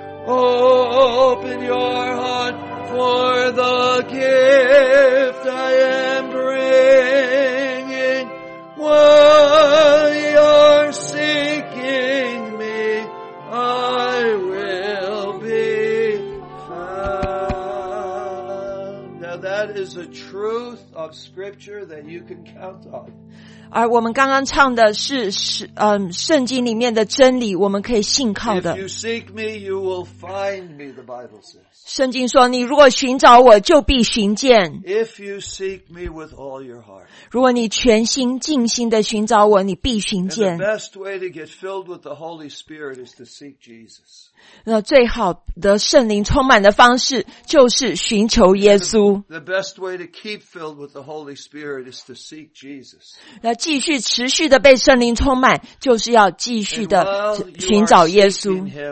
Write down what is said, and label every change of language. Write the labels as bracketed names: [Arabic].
[English] Open your heart for the gift I am bringing. While you're seeking me, I will be found. Now that is a truth of scripture that you can count on. [Chinese] 而我们刚刚唱的是圣经里面的真理，我们可以信靠的。 [English] If you seek me, you will find me, the Bible says. [Chinese] 圣经说你如果寻找我就必寻见。 [English] If you seek me with all your heart. [Chinese] 如果你全心尽心的寻找我，你必寻见。 [English] And the best way to get filled with the Holy Spirit is to seek Jesus. [Chinese] 那最好的圣灵充满的方式就是寻求耶稣。 [English] The best way to keep filled with the Holy Spirit is to seek Jesus. [Chinese] 那继续持续的被圣灵充满，就是要继续的寻找耶稣。